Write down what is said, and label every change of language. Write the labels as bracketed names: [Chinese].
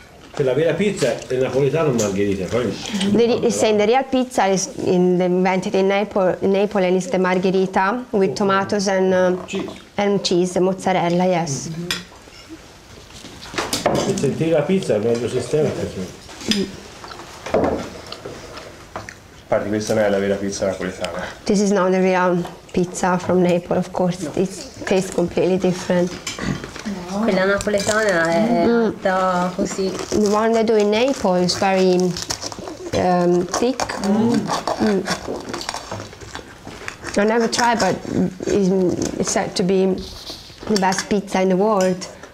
[Italian] Per la vera pizza è napoletano margherita, poi... [English] He's saying the real pizza is invented in Naples and it's the margherita with tomatoes and cheese. And cheese, mozzarella, yes. Mm-hmm. [Italian] Per sentire la pizza è il meglio sistema, perché... Parli, questa non è la vera pizza napoletana. [English] This is not the real pizza from Naples, of course. No. It tastes completely different. [Italian] Quella napoletana è fatta così. [English] The one they do in Naples is very thick. Mm. Mm. I never tried, but it's said to be the best pizza in the world.